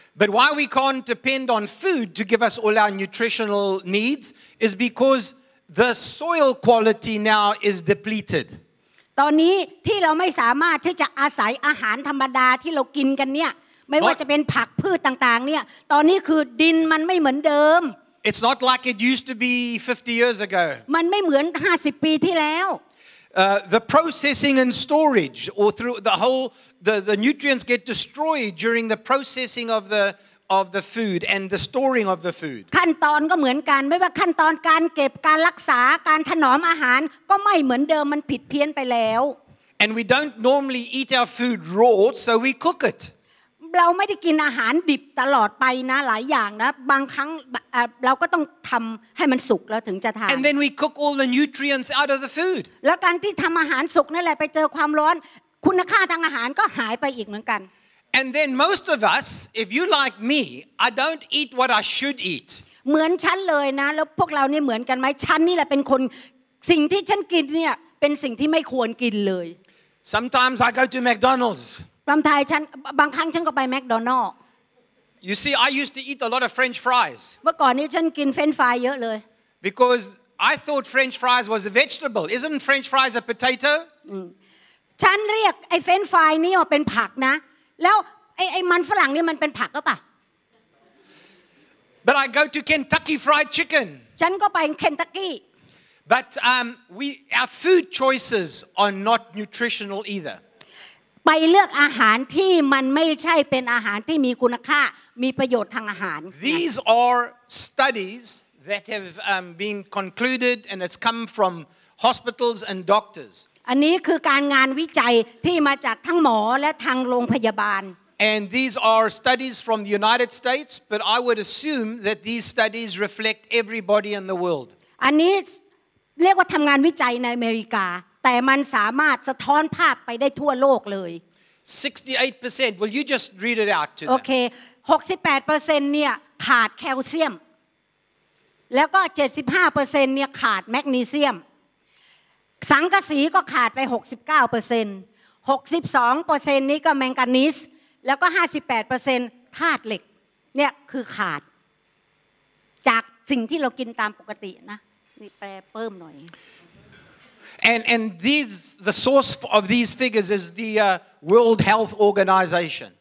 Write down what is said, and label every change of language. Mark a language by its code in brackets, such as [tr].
[en] But why we can't depend on food to give us all our nutritional needs is because the soil quality now is depleted [th] ตอนนี้ที่เราไม่สามารถที่จะอาศัยอาหารธรรมดาที่เรากินกันเนี่ยไม่ว่าจะเป็นผักพืชต่างๆเนี่ยตอนนี้คือดินมันไม่เหมือนเดิม [en] It's not like it used to be 50 years ago [th] มันไม่เหมือน50ปีที่แล้ว [en] The processing and storage, or through the whole, the nutrients get destroyed during the processing of the food and the storing of the food. [th] ขั้นตอนก็เหมือนกันไม่ว่าขั้นตอนการเก็บการรักษาการถนอมอาหารก็ไม่เหมือนเดิมมันผิดเพี้ยนไปแล้ว [en] And we don't normally eat our food raw, so we cook it. [th] เราไม่ได้กินอาหารดิบตลอดไปนะหลายอย่างนะบางครั้งเราก็ต้องทำให้มันสุกแล้วถึงจะทาน [en] And then we cook all the nutrients out of the food [th] แล้วการที่ทำอาหารสุกนั่นแหละไปเจอความร้อนคุณค่าทางอาหารก็หายไปอีกเหมือนกัน [en] And then most of us if you like me I don't eat what I should eat [th] เหมือนฉันเลยนะแล้วพวกเรานี่เหมือนกันไหมฉันนี่แหละเป็นคนสิ่งที่ฉันกินเนี่ยเป็นสิ่งที่ไม่ควรกินเลย [en] Sometimes I go to McDonald's [th] บางทีฉันบางครั้งฉันก็ไปแมคโดนัลด์ [en] You see I used to eat a lot of french fries [th] เมื่อก่อนนี้ฉันกินเฟรนช์ฟรายเยอะเลย [en] Because I thought french fries was a vegetable isn't french fries a potato [th] ฉันเรียกไอ้เฟรนช์ฟรายนี่ว่าเป็นผักนะแล้วไอ้มันฝรั่งนี่มันเป็นผักหรือเปล่า [en] But I go to Kentucky fried chicken [th] ฉันก็ไปเคนทักกี้ [en] But our food choices are not nutritional either [th] ไปเลือกอาหารที่มันไม่ใช่เป็นอาหารที่มีคุณค่ามีประโยชน์ทางอาหาร [en] These are studies that have been concluded and it's come from hospitals and doctors [th] อันนี้คือการงานวิจัยที่มาจากทั้งหมอและทางโรงพยาบาล [en] And these are studies from the United States but I would assume that these studies reflect everybody in the world [th] อันนี้เรียกว่าทำงานวิจัยในอเมริกาแต่มันสามารถสะท้อนภาพไปได้ทั่วโลกเลย [en] 68% will you just read it out to me [th] okay 68% เนี่ยขาดแคลเซียมแล้วก็ 75% เนี่ยขาดแมกนีเซียมสังกะสีก็ขาดไป 69% 62% นี้ก็แมงกานีสแล้วก็ 58% ธาตุเหล็กเนี่ยคือขาดจากสิ่งที่เรากินตามปกตินะนี่แปลเพิ่มหน่อย [en] And these the source of these figures is the World Health Organization.